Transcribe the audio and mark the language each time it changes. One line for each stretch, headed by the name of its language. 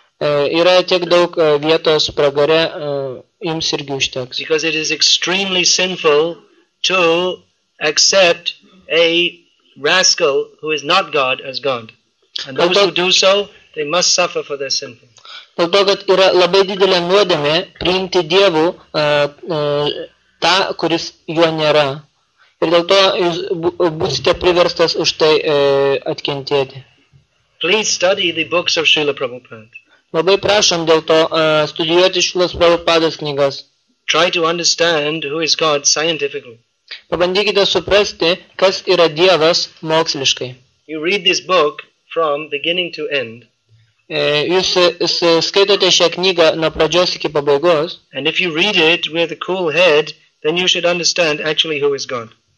Lithuanian: Yra tiek daug vietos pragare, jums irgi užteks.
English: Because it is extremely sinful to accept a rascal who is not God as God. And those who do so, they must suffer for their sin.
Lithuanian: Dėl to, kad yra labai didelė nuodėmė priimti Dievų tą, kuris juo nėra. Ir dėl to jūs būsite priverstas už tai atkentėti.
English: Please study the books of Srila Prabhupada.
Lithuanian: Labai prašom dėl to studijuoti Šrilos Prabhupados knygas.
English: Try to understand who is God scientifically.
Lithuanian: Pabandykite suprasti, kas yra Dievas moksliškai.
English: You read this book from beginning to end.
Lithuanian: Jūs skaitote šią knygą nuo pradžios iki pabaigos.
English: And if you read it with a cool head, then you should understand actually who is God.